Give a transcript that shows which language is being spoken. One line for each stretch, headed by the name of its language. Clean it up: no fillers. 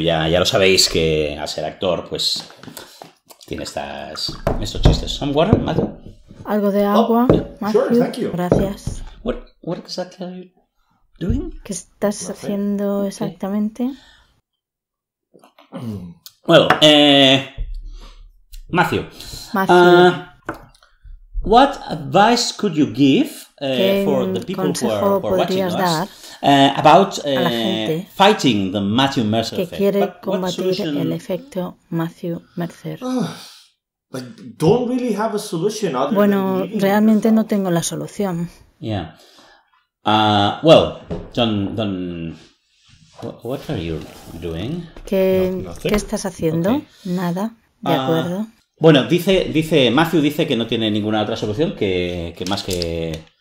Spanish: Ya lo sabéis que al ser actor, pues tiene estos chistes.
English: ¿Some water, Matthew?
Spanish: Algo de agua, Matthew.
English: Sure, thank you.
Spanish: Gracias.
English: What exactly are you doing?
Spanish: ¿Qué estás haciendo exactamente? Bueno, Matthew. Matthew.
English: What advice could you give for the people who are watching us about fighting the Matthew Mercer effect?
Spanish: Que quiere combatir el efecto Matthew Mercer.
English: But don't really have a solution other than
Spanish: bueno, realmente no tengo la solución.
English: Yeah. Well, don't what are you doing?
Spanish: ¿Qué estás haciendo? Okay. Nada. De acuerdo. Bueno, dice Matthew dice que no tiene ninguna otra solución que más que.